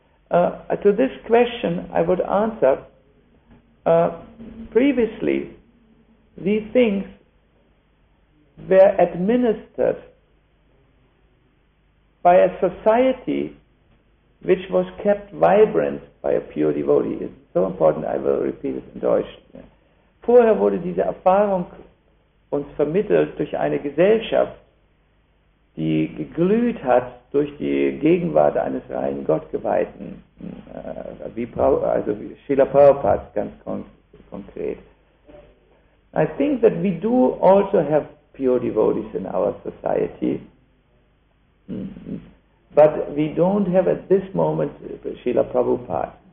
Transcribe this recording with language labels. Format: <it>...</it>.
<en>To this question, I would answer, previously, these things were administered by a society which was kept vibrant by a pure devotee. It's so important, I will repeat it in Deutsch.</en> <de>Vorher wurde diese Erfahrung uns vermittelt durch eine Gesellschaft, die geglüht hat durch die Gegenwart eines reinen Gottgeweihten, wie Srila Prabhupada ganz konkret.</de> <en>I think that we do also have pure devotees in our society. But we don't have at this moment Srila Prabhupada.</en>